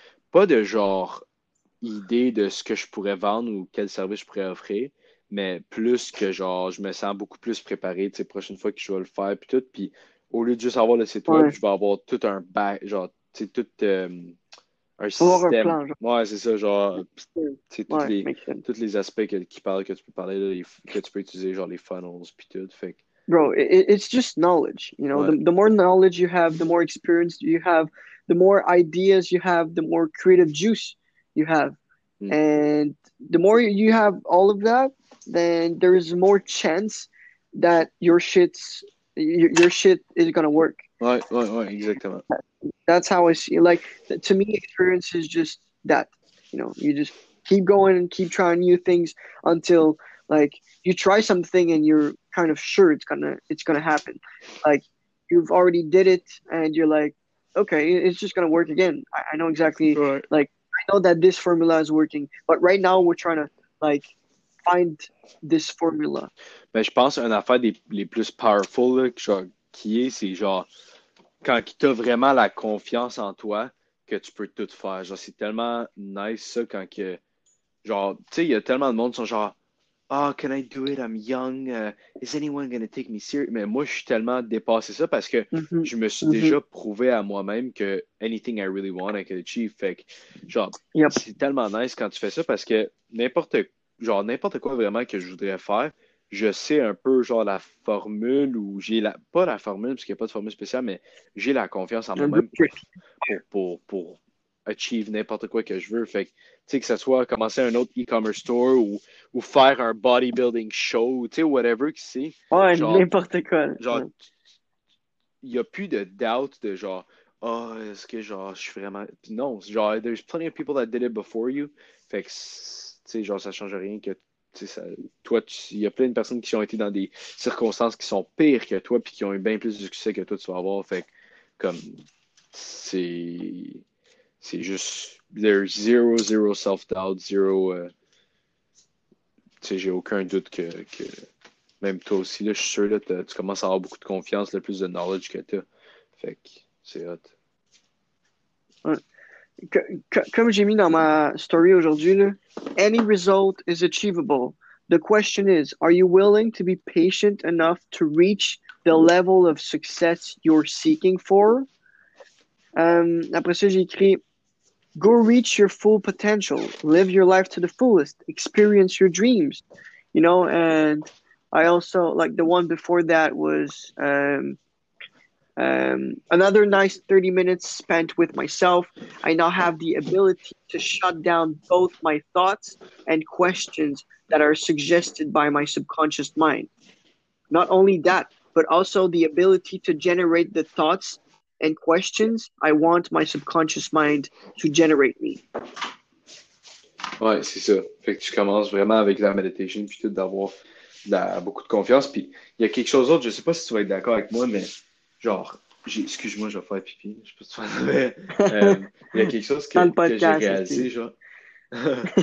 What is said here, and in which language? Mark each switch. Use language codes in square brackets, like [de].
[fr] Pas de genre idée de ce que je pourrais vendre ou quel service je pourrais offrir, mais plus que genre je me sens beaucoup plus préparé, tu sais, prochaine fois que je vais le faire, puis tout. Puis au lieu de juste avoir le site Ouais. web, je vais avoir tout un back, genre, tu sais, tout un Avoir un système. plan, genre. Ouais, c'est ça, genre. C'est Ouais, make tous les aspects qui parlent que tu peux parler, là, que tu peux utiliser, genre les funnels, puis tout. Fait [en] Bro, it's just knowledge, you know. [fr] que... [en] The more knowledge you have, the more experience you have, the more ideas you have, the more creative juice you have. And the more you have all of that, then there is more chance that your shit is gonna work. [fr] Ouais, exactement. [en] That's how I see it. Like, to me, experience is just that. You know, you just keep going and keep trying new things until, like, you try something and you're kind of sure it's gonna happen. Like, you've already did it and you're like, okay, it's just gonna work again. I know exactly, Right. like, I know that this formula is working, but right now we're trying to, like, find this formula. [fr] Mais je pense une affaire des les plus powerful là, genre, qui est, c'est genre quand tu as vraiment la confiance en toi que tu peux tout faire. Genre, c'est tellement nice ça quand que genre, tu sais, il y a tellement de monde qui sont genre, [en] oh, can I do it? I'm young. Is anyone gonna take me serious? [fr] Mais moi, je suis tellement dépassé ça parce que je me suis déjà prouvé à moi-même que [en] anything I really want, I can achieve. [fr] Fait que, genre, c'est tellement nice quand tu fais ça parce que n'importe quoi vraiment que je voudrais faire, je sais un peu, genre, la formule ou j'ai la, pas la formule parce qu'il n'y a pas de formule spéciale, mais j'ai la confiance en moi-même pour achieve n'importe quoi que je veux. Fait que, tu sais, que ce soit commencer un autre e-commerce store ou faire un bodybuilding show, tu sais, whatever que c'est, Ouais, n'importe quoi. genre, il n'y a plus de doubt de genre, oh, est-ce que genre, je suis vraiment. Non, genre, [en] there's plenty of people that did it before you. [fr] Fait que, tu sais, genre, ça change rien que, tu sais, ça. Toi, il y a plein de personnes qui ont été dans des circonstances qui sont pires que toi, puis qui ont eu bien plus de succès que toi, tu vas avoir. Fait que, comme, c'est juste, [en] there's zero, zero self-doubt, zero. [fr] Tu sais, j'ai aucun doute que même toi aussi, là, je suis sûr, là, tu commences à avoir beaucoup de confiance, le plus de knowledge que tu as. Fait que c'est hot. Comme j'ai mis dans ma story aujourd'hui, là, [en] any result is achievable. The question is, are you willing to be patient enough to reach the level of success you're seeking for? [fr] Après ça, j'ai écrit, [en] go reach your full potential, live your life to the fullest, experience your dreams. You know, and I also, like the one before that was, another nice 30 minutes spent with myself. I now have the ability to shut down both my thoughts and questions that are suggested by my subconscious mind. Not only that, but also the ability to generate the thoughts and questions I want my subconscious mind to generate me. [fr] Ouais, c'est ça. Fait que tu commences vraiment avec la méditation, puis tout, d'avoir beaucoup de confiance. Puis il y a quelque chose d'autre, je sais pas si tu vas être d'accord avec moi, mais genre, excuse-moi, je vais faire pipi. Je sais pas si tu vas en avoir. Il y a quelque chose Dans le que j'ai podcast réalisé, genre. Il y a